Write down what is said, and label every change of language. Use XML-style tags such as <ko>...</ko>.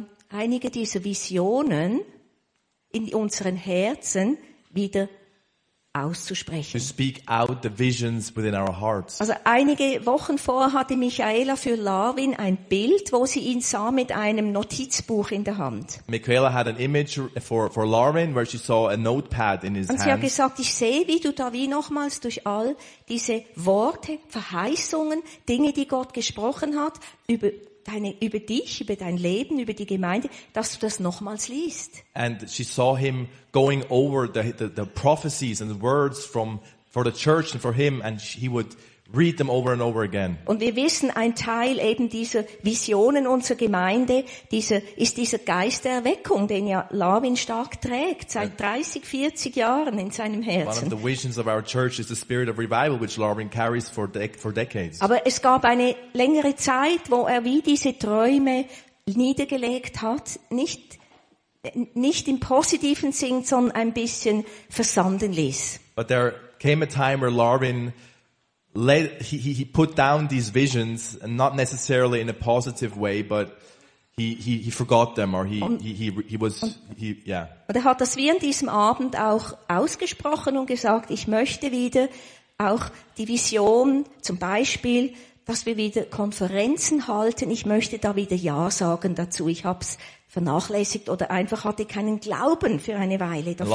<de>Einige dieser Visionen in unseren Herzen wieder auszusprechen.</de> <en>To speak out the visions within our hearts.</en> <de>Also einige Wochen vorher hatte Michaela für Lavin ein Bild, wo sie ihn sah mit einem Notizbuch in der Hand.</de> <en>Michaela had an image for Lavin where she saw a notepad in his hand.</en> <de>Und sie hat gesagt, ich sehe, wie du da wie nochmals durch all diese Worte, Verheißungen, Dinge, die Gott gesprochen hat, über dich, über dein Leben, über die Gemeinde, dass du das nochmals liest.</de> <en>And she saw him going over the prophecies and the words for the church and for him, and he would Read them over and over again.</en> <de>Und wir wissen, ein Teil eben dieser Visionen unserer Gemeinde, ist dieser Geist der Erweckung, den ja Lawin stark trägt, seit 30, 40 Jahren in seinem Herzen.</de> <en>One of the visions of our church is the spirit of revival, which Lawin carries for decades.</en> <de>Aber es gab eine längere Zeit, wo er wie diese Träume niedergelegt hat, nicht im positiven Sinn, sondern ein bisschen versanden ließ.</de> <en>But there came a time where Lawin he put down these visions, and not necessarily in a positive way, but he forgot them, or he was.</en> <de>Und er hat das wie an diesem Abend auch ausgesprochen und gesagt, ich möchte wieder auch die Vision, zum Beispiel, dass wir wieder Konferenzen halten, ich möchte da wieder Ja sagen dazu, ich hab's vernachlässigt oder einfach hatte keinen Glauben für eine Weile dafür.</de>